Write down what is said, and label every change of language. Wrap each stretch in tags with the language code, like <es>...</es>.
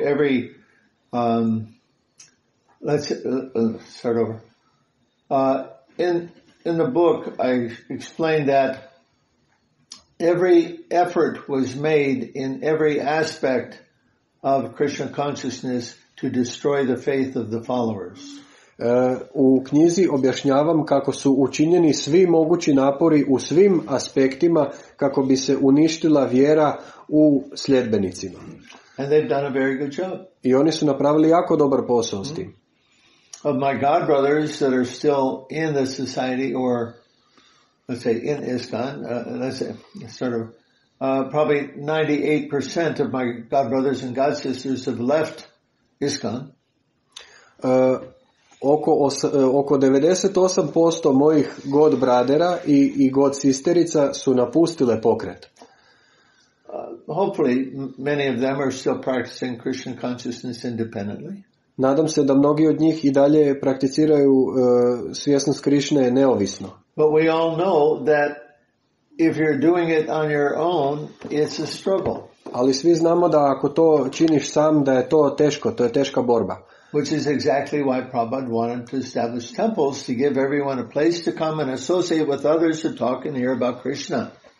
<en>Every, let's start over. In the book, I explained that every effort was made in every aspect of Krishna consciousness to destroy the faith of the followers.</en> <hr>U knjizi objašnjavam kako su učinjeni svi mogući napori u svim aspektima kako bi se uništila vjera u sljedbenicima.</hr> <en>And they've done a very good job.</en> <hr>I oni su napravili jako dobar posao s tim.</hr> <en>Of my god brothers that are still in the society or let's say in ISKCON, probably 98% of my god brothers and god sisters have left ISKCON.</en> <hr>Oko 98% mojih god bradera i god sisterica su napustile pokret.</hr> <en>Hopefully many of them are still practicing Krishna consciousness independently.</en> <hr>Nadam se da mnogi od njih i dalje prakticiraju svjesnost Krišne neovisno.</hr> <en>But we all know that if you're doing it on your own, it's a struggle.</en> <hr>Ali svi znamo da ako to činiš sam, da je to teško, to je teška borba.</hr> <en>Which is exactly why Prabhupada wanted to establish temples to give everyone a place to come and associate with others to talk and hear about Krishna.</en>